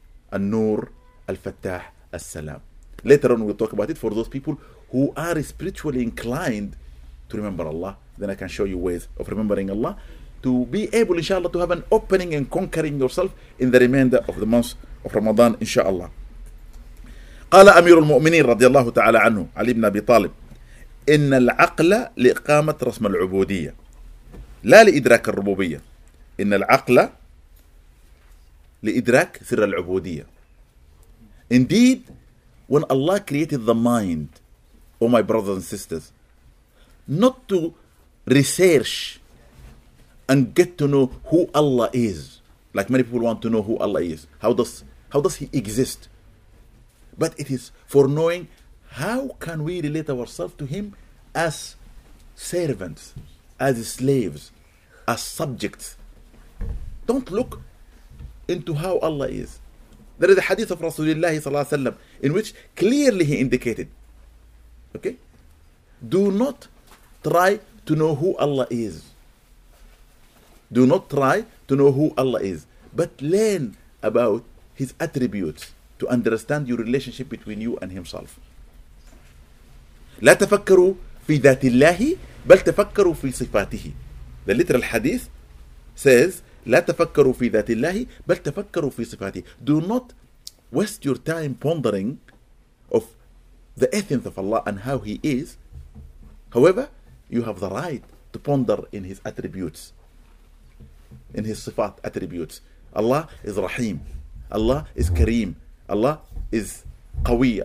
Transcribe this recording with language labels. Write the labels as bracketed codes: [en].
[en] An-Nur, Al-Fattah, As-Salam. Later on, we'll talk about it for those people who are spiritually inclined to remember Allah. Then I can show you ways of remembering Allah to be able, inshallah, to have an opening in conquering yourself in the remainder of the month of Ramadan, inshallah. [ar] قال أمير المؤمنين رضي الله تعالى عنه علي بن أبي طالب إن العقل لإقامة رسم العبودية لا لإدراك الربوبية إن العقل لإدراك سر العبودية. [en] Indeed, when Allah created the mind, O my brothers and sisters, not to research and get to know who Allah is, like many people want to know who Allah is, how does He exist? But it is for knowing how can we relate ourselves to Him as servants, as slaves, as subjects. Don't look into how Allah is. There is a hadith of Rasulullah sallallahu alaihi wasallam in which clearly he indicated, okay, do not try to know who Allah is. Do not try to know who Allah is, but learn about his attributes to understand your relationship between you and himself. [ar] لا تفكروا في ذات الله بل تفكروا في صفاته. [en] The literal hadith says, [ar] لا تفكروا في ذات الله بل تفكروا في صفاته. [en] Do not waste your time pondering of the essence of Allah and how he is. However, you have the right to ponder in his attributes, in his sifat attributes. Allah is Rahim. Allah is Kareem. Allah is Qawi.